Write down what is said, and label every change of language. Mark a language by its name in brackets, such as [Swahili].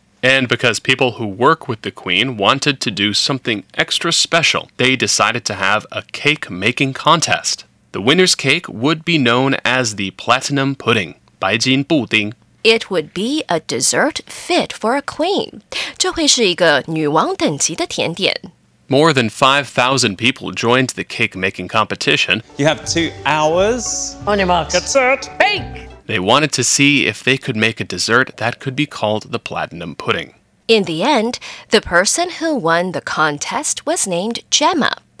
[English] And because people who work with the Queen wanted to do something extra special, they decided to have a cake-making contest. The winner's cake would be known as the Platinum Pudding, 白金布丁. It would be a dessert fit for a queen. [Chinese] 这会是一个女王等级的甜点。 [English] More than 5,000 people joined the cake-making competition. You have 2 hours. On your marks. Get set. Bake! They wanted to see if they could make a dessert that could be called the Platinum Pudding. In the end, the person who won the contest was named Gemma.